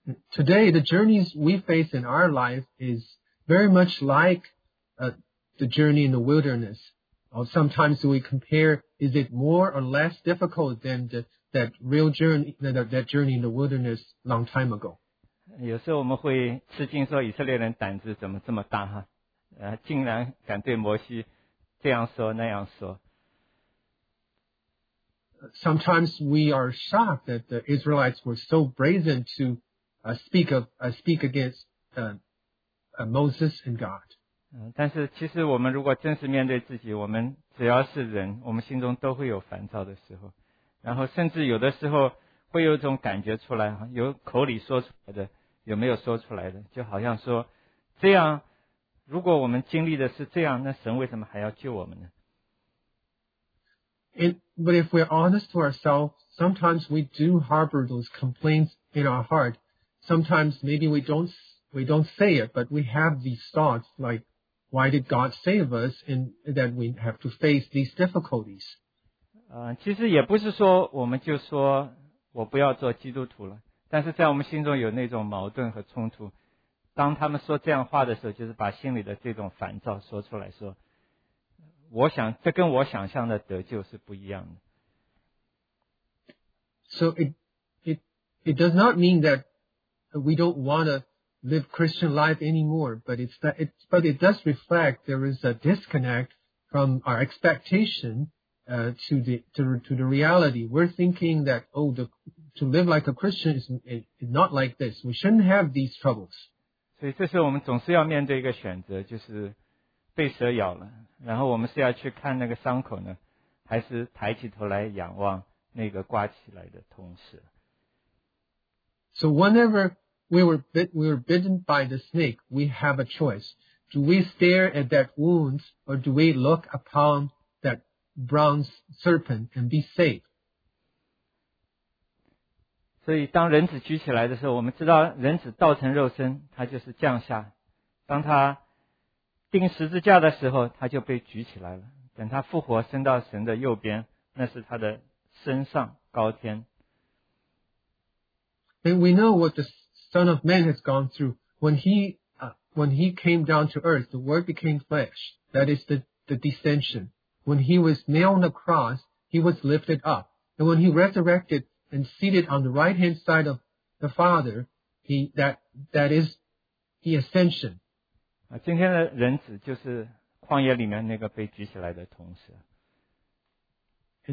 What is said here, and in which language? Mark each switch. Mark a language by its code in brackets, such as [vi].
[en] Today, the journeys we face in our life is very much like the journey in the wilderness. Or sometimes we compare, is it more or less difficult than that journey in the wilderness long time ago? [zh] 有时候我们会吃惊说以色列人胆子怎么这么大哈，竟然敢对摩西这样说那样说。 [en] Sometimes we are shocked that the Israelites were so brazen to speak against Moses and God. [zh] 但是其实我们如果真实面对自己，我们只要是人，我们心中都会有烦躁的时候，然后甚至有的时候会有一种感觉出来，有口里说出来的，有没有说出来的，就好像说这样，如果我们经历的是这样，那神为什么还要救我们呢？ [en] But if we're honest to ourselves, sometimes we do harbor those complaints in our heart. Sometimes maybe we don't say it, but we have these thoughts like, why did God save us and that we have to face these difficulties? [zh] 其实也不是说我们就说我不要做基督徒了，但是在我们心中有那种矛盾和冲突，当他们说这样话的时候，就是把心里的这种烦躁说出来，说我想这跟我想象的得救是不一样的。 [en] So it does not mean that we don't want to live Christian life anymore, but it does reflect there is a disconnect from our expectation to the reality. We're thinking that, oh, to live like a Christian is not like this. We shouldn't have these troubles. [zh] 所以这时候我们总是要面对一个选择，就是被蛇咬了，然后我们是要去看那个伤口呢，还是抬起头来仰望那个挂起来的铜蛇。 [en] So whenever we were bitten by the snake, we have a choice. Do we stare at that wound or do we look upon that bronze serpent and be safe? [zh] 所以当人子举起来的时候，我们知道人子道成肉身，他就是降下。当他钉十字架的时候，他就被举起来了。等他复活升到神的右边，那是他的身上高天。 [en] And we know what the Son of Man has gone through. When he came down to earth, the Word became flesh. That is the descension. When he was nailed on the cross, he was lifted up. And when he resurrected and seated on the right hand side of the Father, that is the ascension. [zh] 今天的人子就是旷野里面那个被举起来的铜蛇。